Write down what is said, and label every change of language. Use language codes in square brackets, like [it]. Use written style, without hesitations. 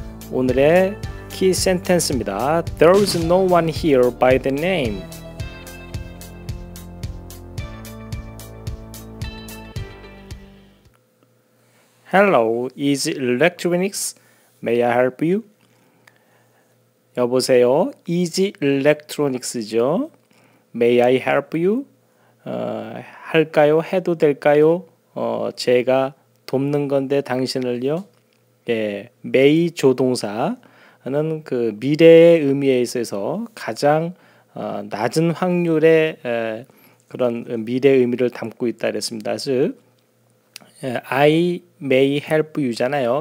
[ko] 오늘의 키 센텐스입니다. [en] There is no one here by the name. 헬로, is electronics? May I help you? [ko] 여보세요. [en] Is electronics죠? May I help you? [ko] 할까요? 해도 될까요? 제가 돕는 건데 당신을요. 예, may 조동사는 그 미래의 의미에 있어서 가장 낮은 확률의 그런 미래 의미를 담고 있다 그랬습니다. 즉 [en] I may help you잖아요.